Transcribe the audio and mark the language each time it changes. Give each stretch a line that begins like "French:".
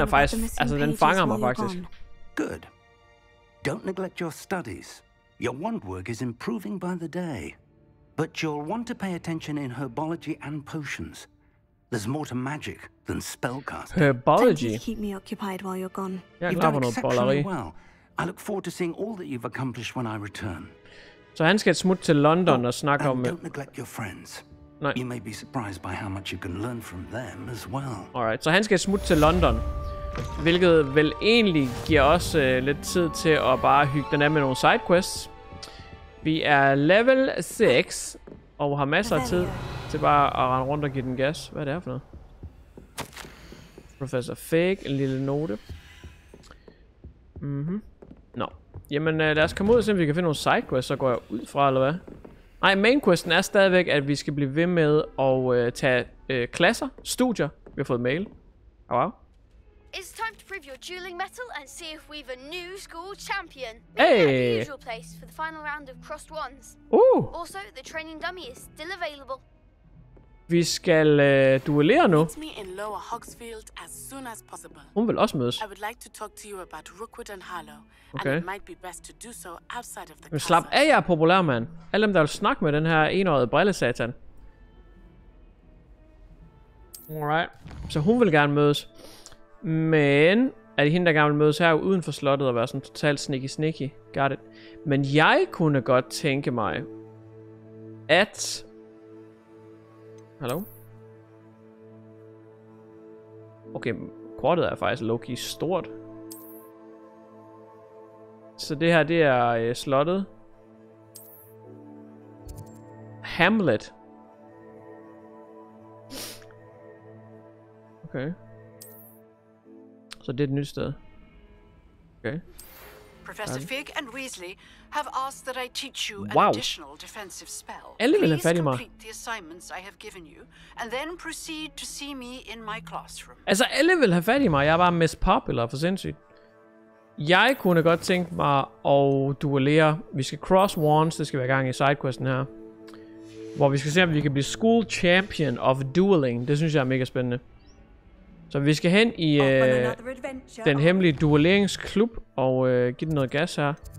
Danish: Historien er faktisk, altså den fanger mig faktisk.
English: Good. Don't neglect your studies. Your wand work is improving by the day. But you'll want to pay attention in herbology and potions. There's more to magic than spellcasting. Herbology? Please keep me occupied while you're gone. Yeah, you've done exceptionally well. I look forward to seeing all that you've accomplished when I return.
Danish: Så han skal smutte til London og snakke om.
English: Don't neglect your friends.
Danish: Nej.
English: You may be surprised by how much you can learn from them as well.
Danish: Alright, så han skal smutte til London, hvilket vel egentlig giver os lidt tid til at bare hygge den af med nogle sidequests. Vi er level 6 og har masser af tid til bare at rende rundt og give den gas. Hvad er det her for noget? Professor Fig, en lille note. Mhm. Nå, Jamen, lad os komme ud og se, om vi kan finde nogle sidequests, så går jeg ud fra, eller hvad? Nej, mainquesten er stadigvæk, at vi skal blive ved med at tage klasser, studier. Vi har fået mail.
English: Oh, wow. It's time to prove your dueling metal and see if we've a new school champion. Hey. We're at the usual place for the final round of crossed wands. Ooh. Also, the training dummy is still available.
Danish: Vi skal duellere nu.
English: Meet me in Lower Hogsfield as soon as possible.
Danish: Hun vil også mødes.
English: I would like to talk to you about Rookwood and Harlow. Okay. And it might be best to do so outside of the castle.
Danish: Slap af, jeg er populær, mand. Alle dem, der vil snakke med den her enøjet brillesatan. Alright. Så hun vil gerne mødes. Men er det hende, der gerne vil mødes her uden for slottet og være sådan totalt sneaky-sneaky?
English: Got it.
Danish: Men jeg kunne godt tænke mig, at... Hallo? Okay, kortet er faktisk low-key stort. Så det her, det er slottet.
English: Hamlet.
Danish: Okay. Så det er et nyt sted. Okay.
English: Professor Fig and Weasley have asked that I teach you an additional defensive spell.
Danish: Alle vil have fat i mig.
English: Please complete the assignments I have given you, and then proceed to see me in my classroom.
Danish: Altså, alle vil have fat i mig. Jeg er bare mest popular for sindssygt. Jeg kunne godt tænke mig at duellere. Vi skal
English: cross wands.
Danish: Det skal være gang i sidequesten her. Hvor vi skal se, om vi kan blive
English: school champion of dueling.
Danish: Det synes jeg er mega spændende. Så vi skal hen i den hemmelige duelleringsklub og give den noget gas her.